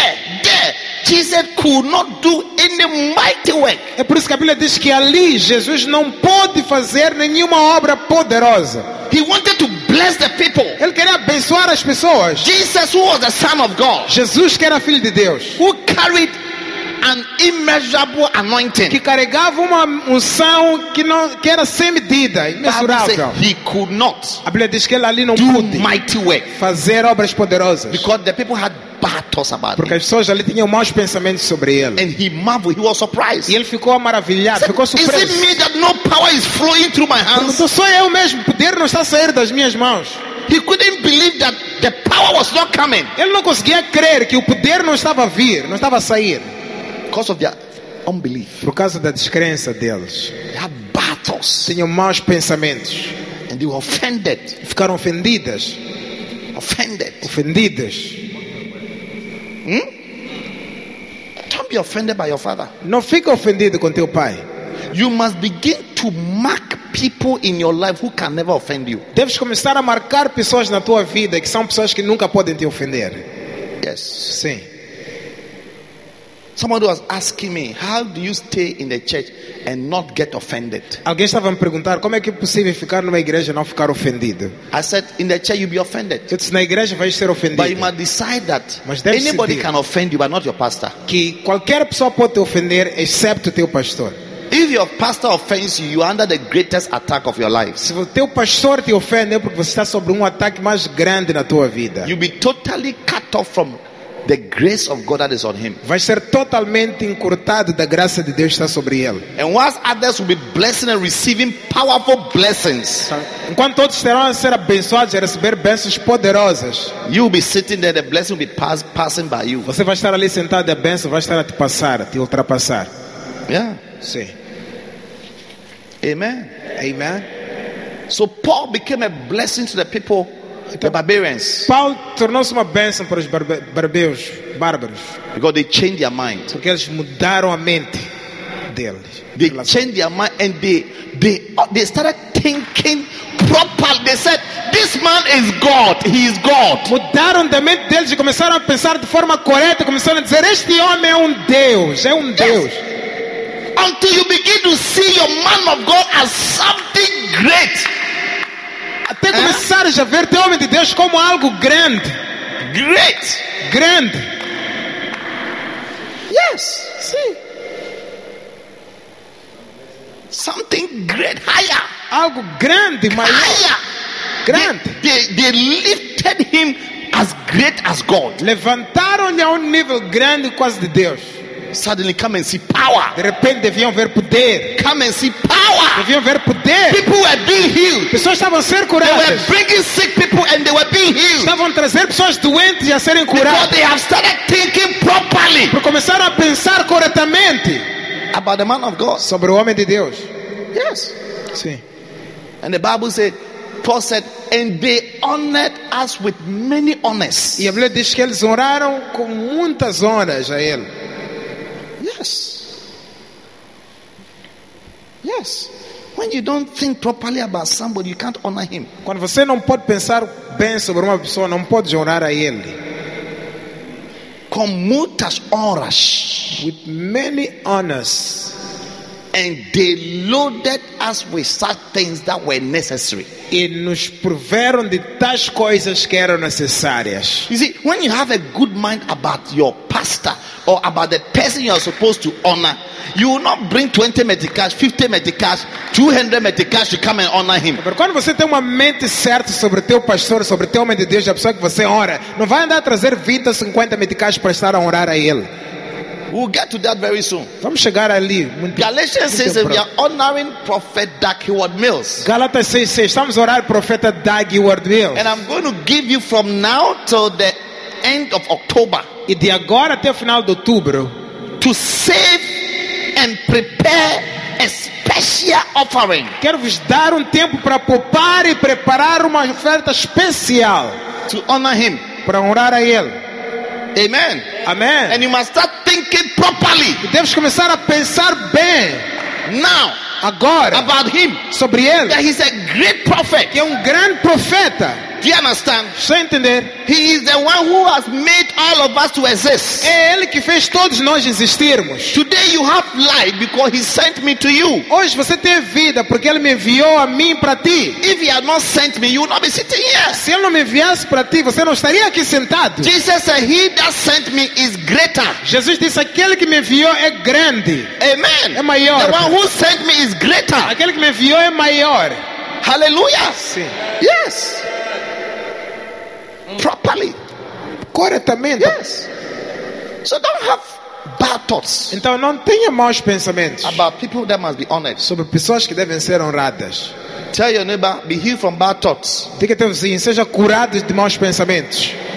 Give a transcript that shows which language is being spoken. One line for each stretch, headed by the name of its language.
English: there, Jesus could not do any mighty work.
Portuguese: É por isso que a Bíblia diz que ali Jesus não pôde fazer nenhuma obra poderosa.
English: He wanted to bless the people.
Portuguese: Ele queria abençoar as pessoas.
English: Jesus, who was the Son of God.
Portuguese: Jesus que era filho de Deus.
English: Who carried an immeasurable anointing.
Portuguese: Que carregava uma unção que era sem medida, imensurável.
English: He could not.
Portuguese: A Bíblia diz que ele ali não pôde
English: mighty work.
Portuguese: Fazer obras poderosas.
English: Because the people had bad thoughts about
Portuguese: porque as pessoas ali tinham maus pensamentos sobre ele.
English: And he marveled, he was surprised.
Portuguese: E ele ficou maravilhado, ficou surpreso.
English: Is it me that no power is flowing through my hands?
Portuguese: Não sou eu mesmo, poder não está saindo das minhas mãos.
English: He couldn't believe that the power was not coming.
Portuguese: Ele não conseguia crer que o poder não estava a vir, não estava a sair.
English: Because of their unbelief.
Portuguese: Por causa da descrença deles.
English: They had bad thoughts.
Portuguese: Tinham maus pensamentos.
English: And they were offended.
Portuguese: Ficaram ofendidas.
English: Offended.
Portuguese: Ofendidas.
English: Don't be offended by your father.
Portuguese: Não fique ofendido com teu pai.
English: You must begin to mark people in your life who can never offend you.
Portuguese: Deves começar a marcar pessoas na tua vida que são pessoas que nunca podem te ofender.
English: Yes.
Portuguese: Sim.
English: Somebody was asking me, how do you stay in the church and not get offended?
Portuguese: Alguém estava me perguntar como é que é possível ficar numa igreja e não ficar ofendido.
English: I said, in the church you'll be offended.
Portuguese: Eu disse, na igreja vais ser ofendido.
English: But you must decide that anybody can offend you, but not your pastor.
Portuguese: Que qualquer pessoa pode te ofender, exceto teu pastor.
English: If your pastor offends you, you are under the greatest attack of your life.
Portuguese: Se o teu pastor te ofende, é porque você está sob um ataque mais grande na tua vida.
English: You'll be totally cut off from the grace of God that is on him.
Portuguese: Vai ser totalmente encurtado da graça de Deus que está sobre ele.
English: And whilst others will be blessing and receiving powerful blessings,
Portuguese: enquanto outros estarão a ser abençoados e a receber bênçãos poderosas,
English: you will be sitting there, the blessing will be passing by you.
Portuguese: Você vai estar ali sentado e a bênção vai estar a te passar, a te ultrapassar.
English: Yeah.
Portuguese: Sim.
English: Amen.
Portuguese: Amen.
English: So Paul became a blessing to the people. The barbarians.
Portuguese: Paul tornou-se uma bênção para os bárbaros.
English: Because they changed their mind.
Portuguese: Porque eles mudaram a mente deles.
English: They changed their mind and they started thinking properly. They said, "This man is God. He is God."
Portuguese: Mudaram a mente deles e começaram a pensar de forma correta. Começaram a dizer, "Este homem é um Deus."
English: Until you begin to see your man of God as something great.
Portuguese: Até começar a ver teu homem de Deus como algo grande.
English: Great.
Portuguese: Grande.
English: Yes.
Portuguese: Sim.
English: Something great, higher.
Portuguese: Algo grande, maior.
English: Higher.
Portuguese: Grande.
English: They lifted him as great as God.
Portuguese: Levantaram-lhe a nível grande quase de Deus.
English: Suddenly come and see power.
Portuguese: De repente deviam ver poder.
English: Come and see power.
Portuguese: Deviam ver poder.
English: People were being healed.
Portuguese: Pessoas estavam a ser curadas.
English: They were bringing sick people and they were being healed.
Portuguese: Estavam a trazer pessoas doentes e a serem curadas.
English: Because they have started thinking properly.
Portuguese: Por começar a pensar corretamente.
English: About the man of God.
Portuguese: Sobre o homem de Deus.
English: Yes.
Portuguese: Sim.
English: And the Bible said, Paul said, and they honored us with many honors.
Portuguese: E a Bíblia diz que eles honraram com muitas honras a ele.
English: Yes. Yes. When you don't think properly about somebody, you can't honor him.
Portuguese: Quando você não pode pensar bem sobre uma pessoa, não pode honrar a ele. Com muitas honras.
English: With many honors. And they loaded us with such things that were necessary.
Portuguese: E nos proveram de tais coisas que eram necessárias.
English: You see, when you have a good mind about your pastor or about the person you are supposed to honor, you will not bring 20 meticais, 50 meticais, 200 meticais to come and honor him.
Portuguese: Mas quando você tem uma mente certa sobre teu pastor, sobre teu homem de Deus, a pessoa que você honra, não vai andar a trazer 20 ou 50 meticais para estar a honrar a ele.
English: We'll get to that very soon.
Portuguese: Vamos chegar ali.
English: Galatians says that we are honoring Prophet Doug Heward Mills.
Portuguese: Galatas 6:6. Estamos orando Profeta Doug Heward Mills.
English: And I'm going to give you from now till the end of October.
Portuguese: E de agora até o final de outubro.
English: To save and prepare a special offering.
Portuguese: Quero vos dar tempo para poupar e preparar uma oferta especial.
English: To honor him.
Portuguese: Para honrar a ele.
English: Amen.
Portuguese: Amen.
English: And you must start thinking properly.
Portuguese: Deves começar a pensar bem.
English: Now.
Portuguese: Agora.
English: About him.
Portuguese: Sobre ele.
English: That he's a great prophet.
Portuguese: Que é grande profeta.
English: Do you understand?
Portuguese: Você entender?
English: He is the one who has made all of us to exist.
Portuguese: É ele que fez todos nós existirmos.
English: Today you have life because he sent me to you.
Portuguese: Hoje você tem vida porque ele me enviou a mim para ti.
English: If he had not sent me, you would not be sitting here.
Portuguese: Se ele não me enviasse para ti, você não estaria aqui sentado.
English: Jesus said, "He that sent me is greater."
Portuguese: Jesus disse, aquele que me enviou é grande.
English: Amen.
Portuguese: É maior.
English: The one who sent me is greater.
Portuguese: Aquele que me enviou é maior.
English: Hallelujah.
Portuguese: Sim.
English: Yes. Properly.
Portuguese: Corretamente.
English: Yes. So don't have bad thoughts.
Portuguese: Então não tenha maus pensamentos.
English: About people that must be honored.
Portuguese: Sobre pessoas que devem ser honradas.
English: Tell your neighbor, be healed from bad thoughts.
Portuguese: Diga teu vizinho, seja curado de maus pensamentos.